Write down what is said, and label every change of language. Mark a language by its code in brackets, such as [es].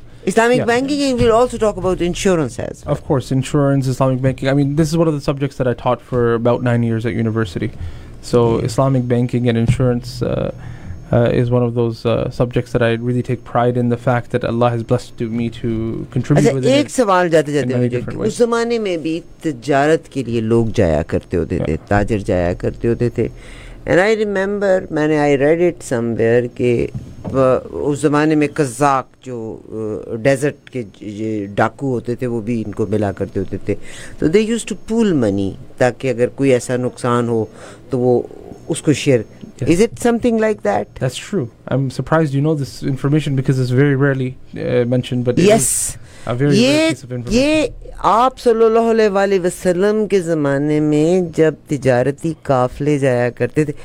[en] Islamic banking, and we'll also talk about insurance as well. Of course, insurance, Islamic banking. I mean, this is one of the subjects that I taught for about 9 years at university. So yeah. Islamic banking and insurance... is one of those subjects that I really take pride in, the fact that Allah has blessed me to contribute with it. [hi] एक सवाल जाते जाते उस ज़माने में भी तिजारत के लिए लोग जाया करते होते थे, ताजर जाया करते होते थे. [en] And I remember, [hi] मैंने [en] I read it somewhere [hi] के उस ज़माने में कज़ाक जो डेजर्ट के डाकू होते थे वो भी इनको मिला करते होते थे. तो [en] they used to pool money [hi] ताकि अगर कोई ऐसा नुकसान हो तो वो उसको share. [en] Yes. Is it something like that? That's true. I'm surprised you know this information because it's very rarely mentioned. But yes, a very rare piece of information. [hi] ये आप सल्लल्लाहु अलैहि वसल्लम के ज़माने में जब तिजारती काफ़ले जाया करते थे.